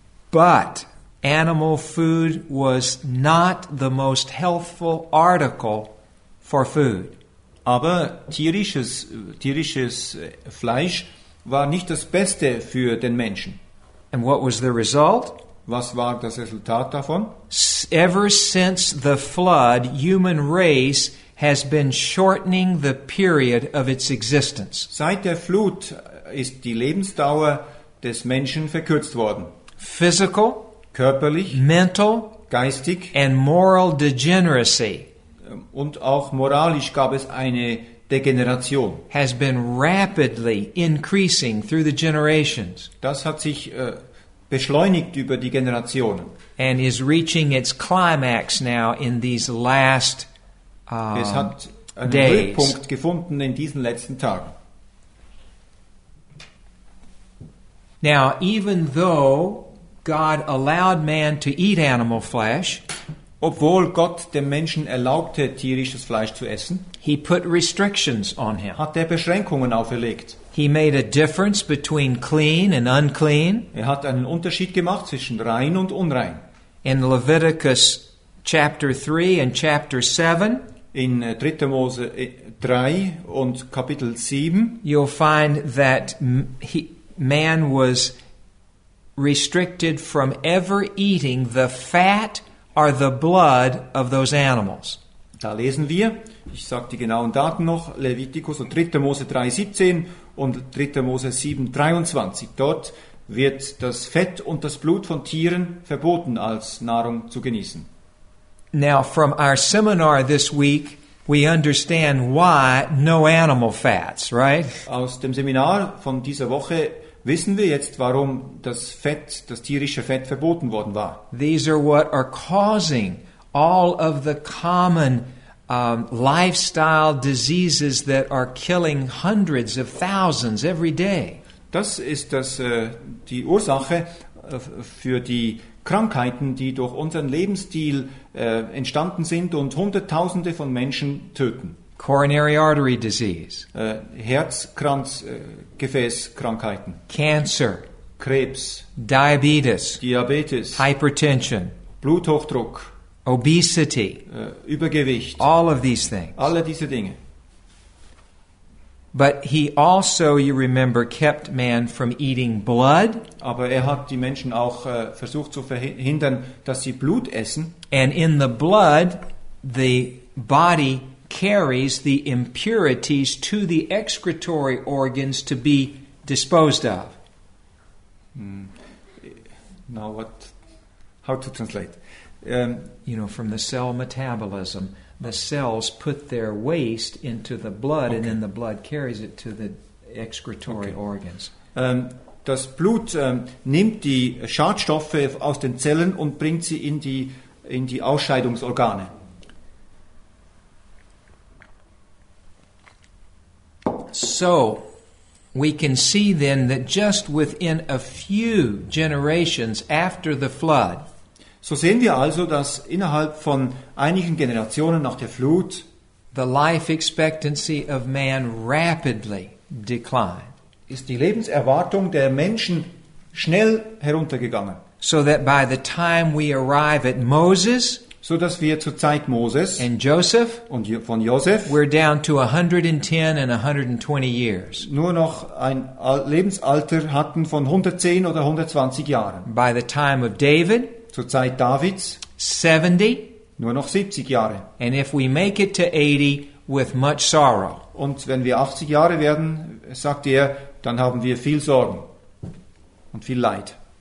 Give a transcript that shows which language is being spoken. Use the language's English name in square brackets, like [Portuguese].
[English] But animal food was not the most healthful article for food. [German] Aber tierisches Fleisch war nicht das Beste für den Menschen. [English] And what was the result? [German] Was war das Resultat davon? [English] Ever since the flood, human race has been shortening the period of its existence. [German] Seit der Flut ist die Lebensdauer des Menschen verkürzt worden. [English] Physical, [German] körperlich, [English] mental, [German] geistig, [English] and moral degeneracy, [German] und auch moralisch gab es eine Degeneration, [English] has been rapidly increasing through the generations. [German] Das hat sich beschleunigt über die Generationen, [English] and is reaching its climax now in these last days. [German] Es hat einen Höhepunkt gefunden in diesen letzten Tagen. [English] Now, even though God allowed man to eat animal flesh, [German] obwohl Gott dem Menschen erlaubte, tierisches Fleisch zu essen, [English] he put restrictions on him. [German] Hat er Beschränkungen auferlegt. [English] He made a difference between clean and unclean. [German] Er hat einen Unterschied gemacht zwischen rein und unrein. [English] In Leviticus chapter 3 and chapter 7, [German] in 3. Mose 3 und Kapitel 7, [English] you'll find that man was restricted from ever eating the fat or the blood of those animals. [German] Da lesen wir, ich sage die genauen Daten noch, Levitikus und 3. Mose 3,17 und 3. Mose 7,23. Dort wird das Fett und das Blut von Tieren verboten, als Nahrung zu genießen. [English] Now, from our seminar this week, we understand why no animal fats, right? [German] Aus dem Seminar von dieser Woche Wissen wir jetzt, warum das Fett, das tierische Fett verboten worden war? [English] These are what are causing all of the common lifestyle diseases that are killing hundreds of thousands every day. [German] Das ist das die Ursache für die Krankheiten, die durch unseren Lebensstil entstanden sind und Hunderttausende von Menschen töten. [English] Coronary artery disease. [German] Herz-Kranz-Gefäß-Krankheiten. [English] Cancer. [German] Krebs. [English] Diabetes. [German] Diabetes. [English] Hypertension. [German] Bluthochdruck. [English] Obesity. [German] Übergewicht. [English] All of these things. [German] Alle diese Dinge. [English] But he also, you remember, kept man from eating blood. [German] Aber er hat die Menschen auch versucht zu verhindern, dass sie Blut essen. [English] And in the blood, the body carries the impurities to the excretory organs to be disposed of. Now what? How to translate? You know, from the cell metabolism. The cells put their waste into the blood, okay. And then the blood carries it to the excretory organs. [German] Das Blut nimmt die Schadstoffe aus den Zellen und bringt sie in die Ausscheidungsorgane. [English] So, we can see then that just within a few generations after the flood. [German] So sehen wir also, dass innerhalb von einigen Generationen nach der Flut [English] the life expectancy of man rapidly declined. [German] Ist die Lebenserwartung der Menschen schnell heruntergegangen. [English] So that by the time we arrive at Moses, [German] so dass wir zur Zeit Moses [English] and Joseph, [German] und von Joseph, [English] we're down to 110 and 120 years. [German] Nur noch ein Lebensalter hatten von 110 oder 120 Jahren. [English] By the time of David, [German] zur Zeit Davids, [English] 70, [German] nur noch 70 Jahre. [English] And if we make it to 80 with much sorrow. [German] Und wenn wir 80 Jahre werden, sagt er, dann haben wir viel Sorgen und viel Leid.